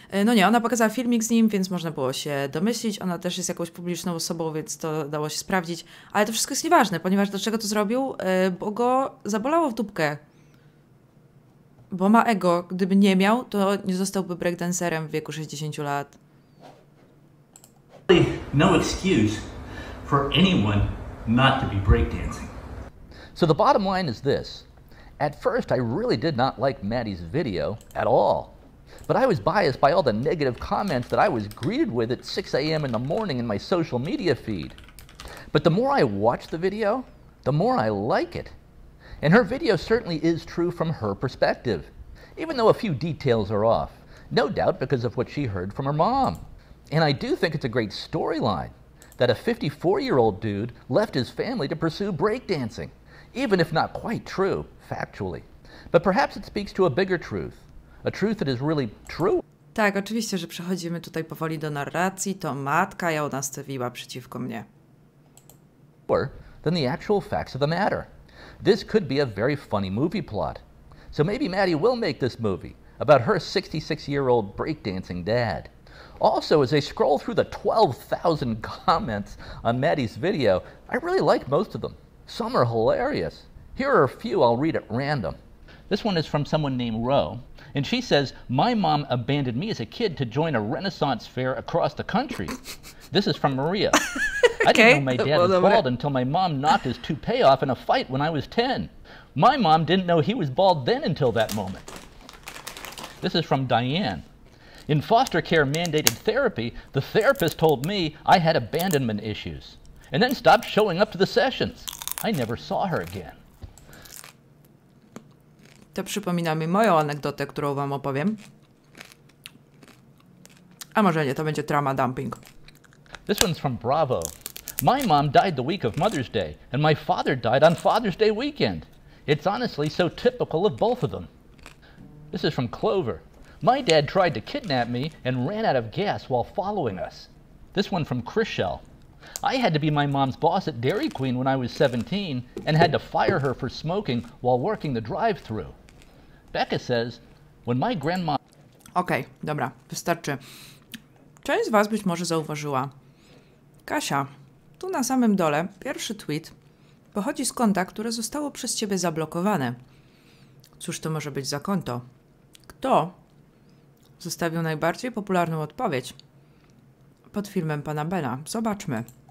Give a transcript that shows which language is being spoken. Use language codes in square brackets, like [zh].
[pl] No nie, ona pokazała filmik z nim, więc można było się domyślić. Ona też jest jakąś publiczną osobą, więc to dało się sprawdzić. Ale to wszystko jest nieważne, ponieważ dlaczego to zrobił? Bo go zabolało w dupkę. Bo ma ego. Gdyby nie miał, to nie zostałby breakdancerem w wieku 60 lat. [en] No excuse for anyone not to be breakdancing. So the bottom line is this. At first, I really did not like Maddie's video at all. But I was biased by all the negative comments that I was greeted with at 6 a.m. in the morning in my social media feed. But the more I watch the video, the more I like it. And her video certainly is true from her perspective, even though a few details are off, no doubt because of what she heard from her mom. And I do think it's a great storyline that a 54-year-old dude left his family to pursue breakdancing, even if not quite true, factually. But perhaps it speaks to a bigger truth, a truth that is really true. [pl] Tak, oczywiście, że przechodzimy tutaj powoli do narracji, to matka ją nastawiła przeciwko mnie. [en] Or than the actual facts of the matter. This could be a very funny movie plot. So maybe Maddie will make this movie about her 66-year-old breakdancing dad. Also, as I scroll through the 12,000 comments on Maddie's video, I really like most of them. Some are hilarious. Here are a few I'll read at random. This one is from someone named Ro, and she says, "My mom abandoned me as a kid to join a Renaissance fair across the country." This is from Maria. "I didn't know my dad was bald until my mom knocked his toupee off in a fight when I was 10. My mom didn't know he was bald then until that moment." This is from Diane. "In foster care mandated therapy, the therapist told me I had abandonment issues and then stopped showing up to the sessions. I never saw her again." [pl] To przypomina mi moją anegdotę, którą wam opowiem. A może nie, to będzie trauma dumping. [en] This one's from Bravo. "My mom died the week of Mother's Day, and my father died on Father's Day weekend. It's honestly so typical of both of them." This is from Clover. "My dad tried to kidnap me and ran out of gas while following us." This one from Chrishell. "I had to be my mom's boss at Dairy Queen when I was 17 and had to fire her for smoking while working the drive-thru." Becca says, "When my grandma..." [pl] Okej, dobra, wystarczy. Część z was być może zauważyła. Kasia, tu na samym dole pierwszy tweet pochodzi z konta, które zostało przez ciebie zablokowane. Cóż to może być za konto? Kto zostawił najbardziej popularną odpowiedź pod filmem pana Bena? Zobaczmy.